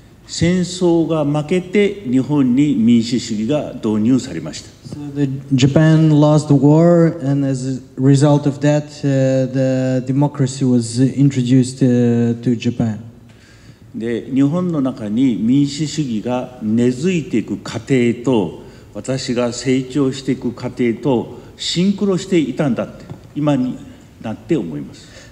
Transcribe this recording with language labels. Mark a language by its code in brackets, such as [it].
[ja] 戦争が負けて日本に民主主義が導入されました。 [en] So the Japan lost the war, and as a result of that, the democracy was introduced to Japan. [ja] で、日本の中に民主主義が根付いていく過程と、私が成長していく過程とシンクロしていたんだって、今になって思います。